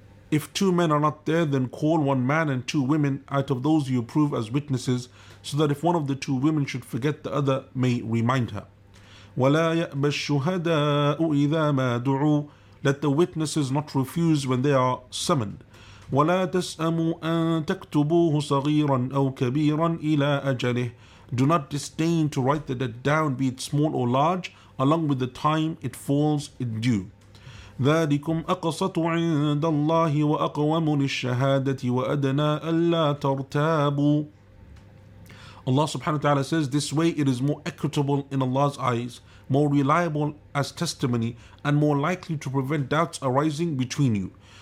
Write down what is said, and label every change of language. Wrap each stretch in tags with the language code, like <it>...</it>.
<en>If two men are not there, then call one man and two women out of those you approve as witnesses, so that if one of the two women should forget, the other may remind her.</en> <ar>وَلَا يَأْبَ الشُّهَدَاءُ إِذَا مَا دُعُوا.</ar> <en>Let the witnesses not refuse when they are summoned.</en> <ar>وَلَا تَسْأَمُوا أَن تَكْتُبُوهُ صَغِيرًا أَوْ كَبِيرًا إِلَىٰ أَجَلِهِ.</ar> <en>Do not disdain to write the debt down, be it small or large, along with the time it falls in due.</en> <ar>ذَلِكُمْ أَقْسَطُ عِندَ اللَّهِ وَأَقْوَمُ لِلشَّهَادَةِ وَأَدْنَى أَلَّا تَرْتَابُوا.</ar> <en>Allah subhanahu wa ta'ala says, this way it is more equitable in Allah's eyes, more reliable as testimony, and more likely to prevent doubts arising between you.</en>